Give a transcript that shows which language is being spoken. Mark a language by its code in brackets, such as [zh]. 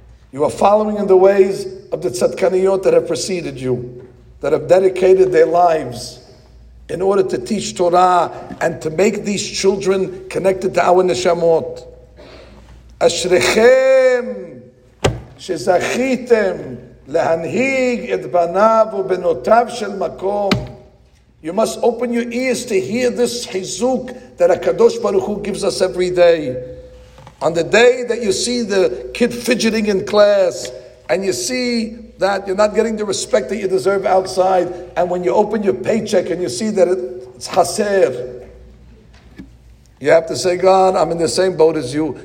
[en] You are following in the ways of the tzadkaniyot that have preceded you, that have dedicated their lives in order to teach Torah and to make these children connected to our neshamot. Ashrechem. [he] שזכיתם להנהיג את בניו ובנותיו של מקום. [en] You must open your ears to hear this chizuk that HaKadosh Baruch Hu gives us every day. On the day that you see the kid fidgeting in class, and you see that you're not getting the respect that you deserve outside, and when you open your paycheck and you see that it's chaser, you have to say, God, I'm in the same boat as you.